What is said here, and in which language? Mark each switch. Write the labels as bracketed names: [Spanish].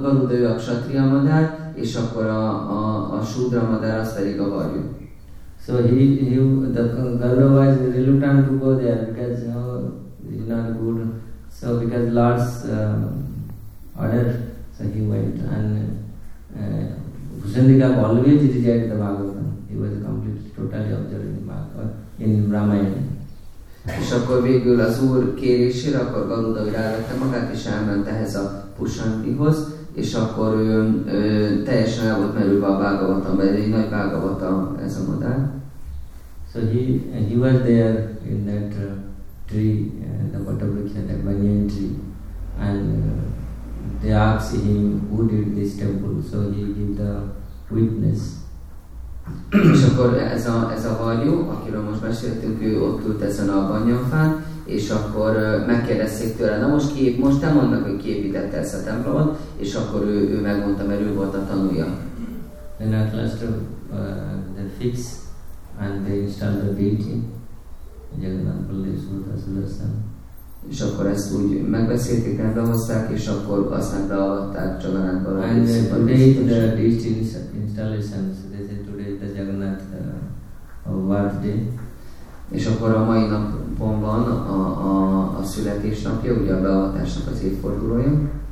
[Hungarian] Garuda, ő a ksatria madár, és akkor a sudra madár, az pedig a varjú. [English] So he the Garuda was reluctant to go there because you know he's not good. So because Lord's order, so he went and Bhushandika always rejected the Bhagavatam. He was completely totally observing Bhagavatam in Ramayana. [Hungarian] És akkor végül az Úr kérésére, akkor Garuda rávette magát és elment ehhez a Bhushandihoz, és akkor ő teljesen el volt merülve a Bhagavatam, mert egy nagy Bhagavatam ez a madár. [English] So he was there in that tree, the Vatavriksha, the banyan tree, and they asked him who did this temple, so he gave the witness. [Hungarian] És akkor ez a varjú, akiről most beszéltünk, ő ott ült ezen a banyanfán, és akkor megkérdezték tőle, na most ki, most te mondd meg, hogy ki építette ezt a templomot, és akkor ő megmondta, mert ő volt a tanúja. [English] Then at last they fix and they install the deity, Jagannath Balladev Subhadra Sudarshan. [Hungarian] És akkor ezt úgy megbeszélték, rendbe hozták, és akkor aztán beavatták Jagannath Balladev Subhadra Sudarshan. [English] And today the deity installation, so they say today the Jagannath birth day. [Hungarian] És akkor a mai napon van a születésnapja, ugye a beavatásnak az évfordulója.